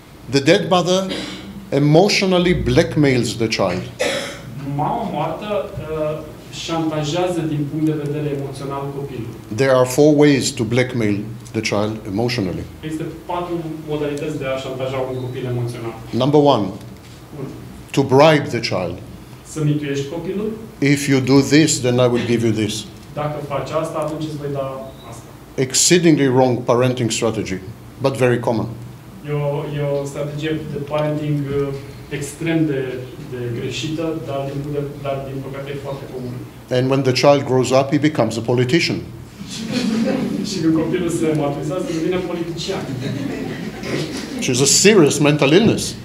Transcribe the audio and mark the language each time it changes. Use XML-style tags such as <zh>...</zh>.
<en>the dead mother emotionally blackmails the child.</en> <ro>Mama moartă șantajează din punct de vedere emoțional copilul.</ro> <en>There are four ways to blackmail the child emotionally.</en> <ro>Există patru modalități de a șantaja un copil emoțional.</ro> <en>Number one. To bribe the child.</en> <ro>Să mituiești copilul.</ro> <en>If you do this, then I will give you this.</en> <ro>Dacă faci asta, atunci îți voi da asta.</ro> <en>Exceedingly wrong parenting strategy, but very common.</en> <ro>E o strategie de parenting extrem de greșită, dar din păcate e foarte comună.</ro> <en>And when the child grows up, he becomes a politician.</en> <ro>Și când copilul se maturizează, devine politician.</ro> <en>Which is a serious mental illness.</en>